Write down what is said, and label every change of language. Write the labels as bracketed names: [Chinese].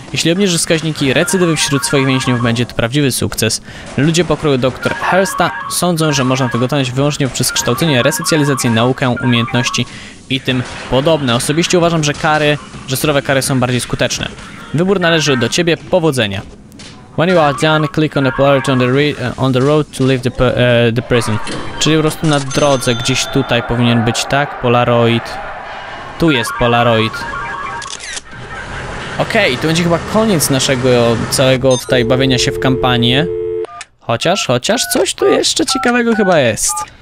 [Polish] Jeśli obniżysz wskaźniki recydywy wśród swoich więźniów, będzie to prawdziwy sukces. Ludzie pokroju dr Hersta sądzą, że można tego dotknąć wyłącznie przez kształcenie, resocjalizację, naukę, umiejętności i tym podobne. Osobiście uważam, że kary, że surowe kary są bardziej skuteczne. Wybór należy do ciebie. Powodzenia. [English] When you are done, click on the priority on the road to leave the prison. [Polish] Czyli po prostu na drodze, gdzieś tutaj powinien być, tak? Polaroid. Tu jest Polaroid. Okej, to będzie chyba koniec naszego całego tutaj bawienia się w kampanię. Chociaż coś tu jeszcze ciekawego chyba jest.